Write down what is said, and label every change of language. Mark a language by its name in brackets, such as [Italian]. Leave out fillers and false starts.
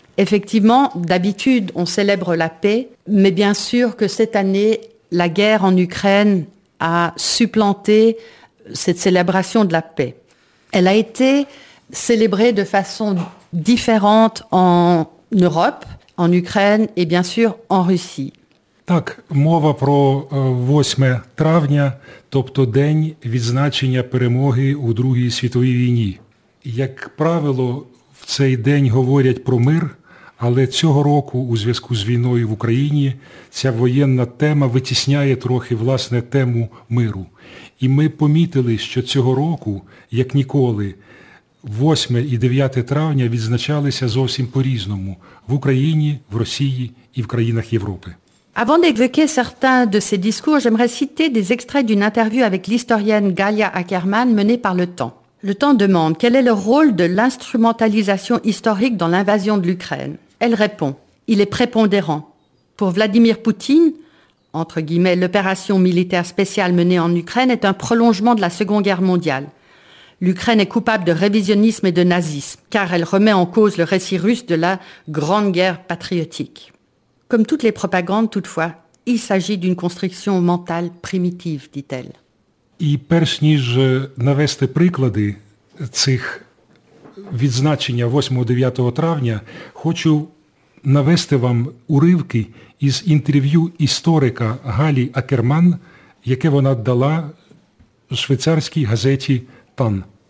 [French] Effectivement, d'habitude, on célèbre la paix, mais bien sûr que cette année, la guerre en Ukraine a supplanté cette célébration de la paix. Elle a été célébrée de façon différente en Europe, en Ukraine et bien sûr en Russie. [Ukrainian] Так, мова про 8 травня, тобто день відзначення перемоги у Другій світовій війні. Як правило, в цей день говорять про мир. Але цього року у зв'язку з війною в Україні ця воєнна тема витісняє трохи власне тему миру. І ми помітили, що цього року, як ніколи, 8 і 9 травня відзначалися зовсім по-різному в Україні, в Росії і в країнах Європи. [French] Avant d'évoquer certains de ces discours, j'aimerais citer des extraits d'une interview avec l'historienne Galia Ackermann menée par Le Temps. Le Temps demande quel est le rôle de l'instrumentalisation historique dans l'invasion de l'Ukraine. Elle répond, il est prépondérant. Pour Vladimir Poutine, entre guillemets, l'opération militaire spéciale menée en Ukraine est un prolongement de la Seconde Guerre mondiale. L'Ukraine est coupable de révisionnisme et de nazisme, car elle remet en cause le récit russe de la Grande Guerre patriotique. Comme toutes les propagandes, toutefois, il s'agit d'une construction mentale primitive, dit-elle. [Ukrainian] І перш ніж навести приклади цих відзначення 8-9 травня, хочу навести вам уривки із інтерв'ю історика Галі Акерман, яке вона дала швейцарській газеті «Тан».